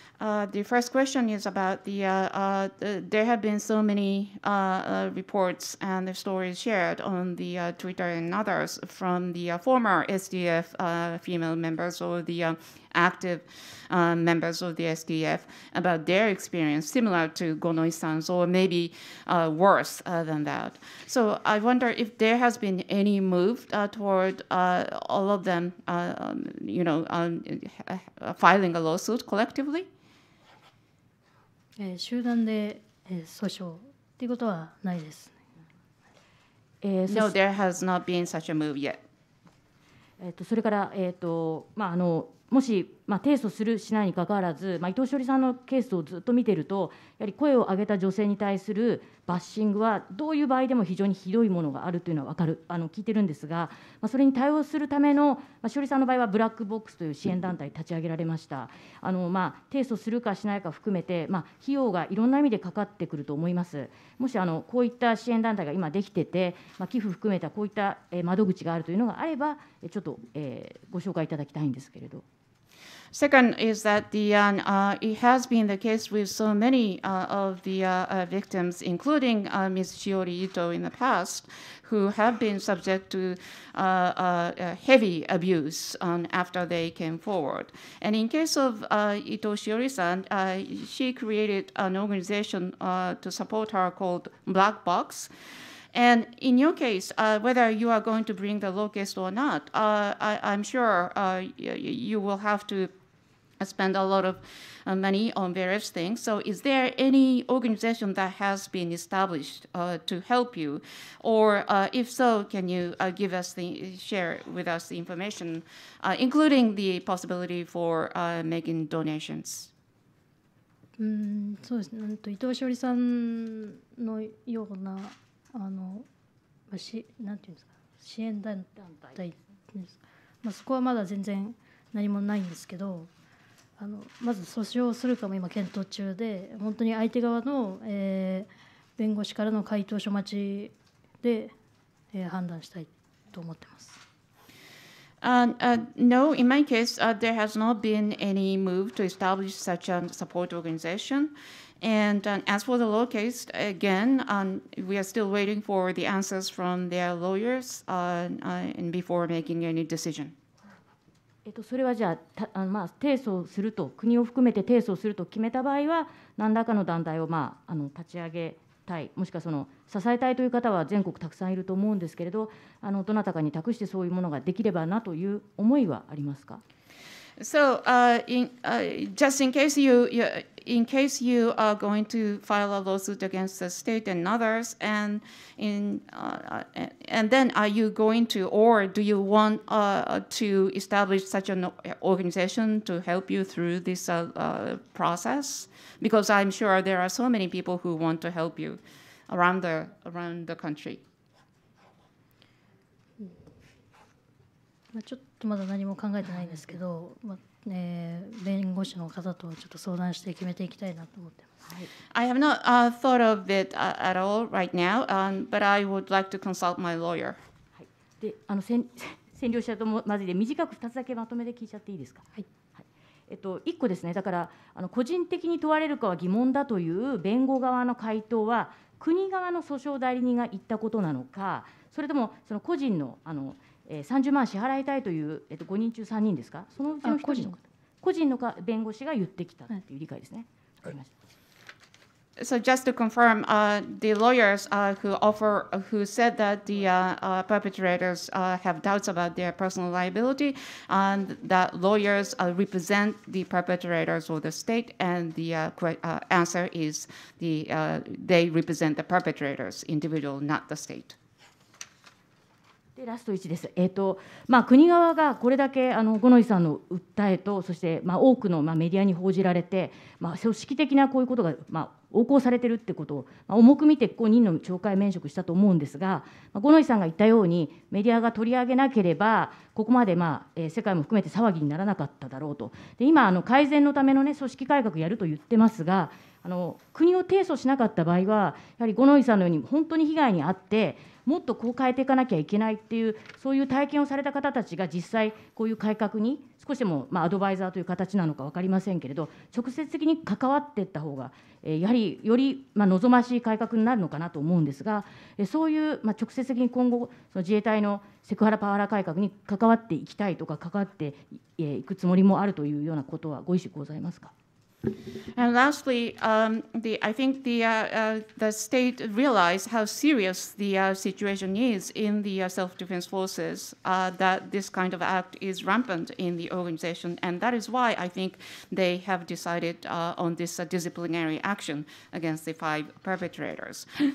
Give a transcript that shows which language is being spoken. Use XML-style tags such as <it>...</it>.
<en>The first question is about the, there have been so many reports and stories shared on the Twitter and others from the former SDF female members or the active members of the SDF about their experience similar to Gonoi-san's or maybe worse than that. So I wonder if there has been any move toward all of them, you know, filing a lawsuit collectively?</en> <ja>集団で訴訟っていうことはないです。</ja> <en>No, there has not been such a move yet.</en> <ja>それから、まあ、あのもし、まあ、提訴するしないにかかわらず、まあ、伊藤詩織さんのケースをずっと見てると、やはり声を上げた女性に対するバッシングはどういう場合でも非常にひどいものがあるというのは分かる、あの聞いてるんですが、まあ、それに対応するための、まあ、詩織さんの場合はブラックボックスという支援団体立ち上げられました。あの、まあ、提訴するかしないか含めて、まあ、費用がいろんな意味でかかってくると思います。もしあのこういった支援団体が今できてて、まあ、寄付含めたこういった窓口があるというのがあれば、ちょっと、ご紹介いただきたいんですけれど。</ja> <en>Second is that the, it has been the case with so many of the victims, including Ms. Shiori Ito in the past, who have been subject to heavy abuse after they came forward. And in case of Ito Shiori-san, she created an organization to support her called Black Box. And in your case, whether you are going to bring the locust or not, I'm sure you will have to spend a lot of money on various things. So is there any organization that has been established to help you? Or if so, can you give us the, share with us the information, including the possibility for making donations?</en> <ja>そうですね。伊藤詩織さんのような、あの、まあ、し、なんていうんですか、支援団体ですか。まあ、そこはまだ全然何もないんですけど、あのまず訴訟をするかも今検討中で、本当に相手側の、弁護士からの回答書待ちで、判断したいと思ってます。</ja> <en>No, in my case, there has not been any move to establish such a support organization. And as for the law case, again, we are still waiting for the answers from their lawyers and before making any decision.</en> <ja>それはじゃあ、あのまあ、提訴すると、国を含めて提訴すると決めた場合は、何らかの団体を、まあ、あの立ち上げたい、もしくはその支えたいという方は全国たくさんいると思うんですけれど、あのどなたかに託してそういうものができればなという思いはありますか。</ja> <en>So in case you are going to file a lawsuit against the state and others, and then are you going to, or do you want to establish such an organization to help you through this process? Because I'm sure there are so many people who want to help you around the country.</en> <ja>まあ、ちょっとまだ何も考えてないんですけど、まあ弁護士の方とちょっと相談して決めていきたいなと思ってます。はい。</ja> <en>I have not thought of it at all right now, but I would like to consult my lawyer.</en> <ja>はい。で、あの占領者ともまずで短く2つだけまとめて聞いちゃっていいですか。はい。はい、 1個ですね。だから個人的に問われるかは疑問だという弁護側の回答は、国側の訴訟代理人が言ったことなのか、それともその個人の30万支払いたいという5人中3人ですか、そのうちの1人の個人の弁護士が言ってきたという理解ですね。はい、</ja> <en>So just to confirm, the lawyers who said that the perpetrators have doubts about their personal liability, and that lawyers represent the perpetrators or the state, and the answer is they represent the perpetrators, individual, not the state.</en> <ja>でラスト1です。まあ、国側がこれだけゴノイさんの訴えと、そして、まあ、多くの、まあ、メディアに報じられて、まあ、組織的なこういうことが、まあ、横行されているということを、まあ、重く見て5人の懲戒免職したと思うんですが、まあ、ゴノイさんが言ったようにメディアが取り上げなければここまで、まあ世界も含めて騒ぎにならなかっただろうと。で今改善のための、ね、組織改革をやると言ってますが、国を提訴しなかった場合はやはりゴノイさんのように本当に被害に遭ってもっとこう変えていかなきゃいけないっていう、そういう体験をされた方たちが実際こういう改革に少しでも、まあ、アドバイザーという形なのか分かりませんけれど直接的に関わっていった方がやはりより、まあ、望ましい改革になるのかなと思うんですが、そういう、まあ、直接的に今後その自衛隊のセクハラパワハラ改革に関わっていきたいとか関わっていくつもりもあるというようなことはご意識ございますか。</ja> <en>And lastly, I think the state realized how serious the situation is in the self-defense forces, that this kind of act is rampant in the organization. And that is why I think they have decided on this disciplinary action against the five perpetrators.</en>